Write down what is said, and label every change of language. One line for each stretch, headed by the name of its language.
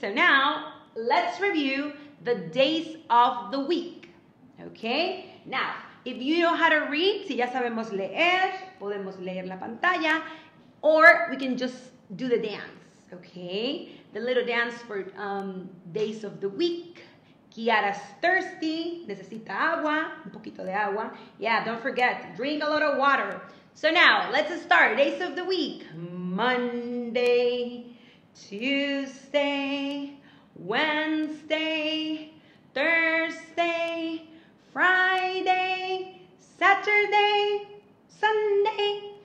English: So now, let's review the days of the week. Okay? Now, if you know how to read,
Spanish: si ya sabemos leer, podemos leer la pantalla,
English: or we can just do the dance. Okay? The little dance for days of the week. Kiara's thirsty,
Spanish: necesita agua, un poquito de agua.
English: Yeah, don't forget, drink a lot of water. So now, let's start. Days of the week. Monday, Tuesday, Wednesday, Thursday, Friday, Saturday, Sunday.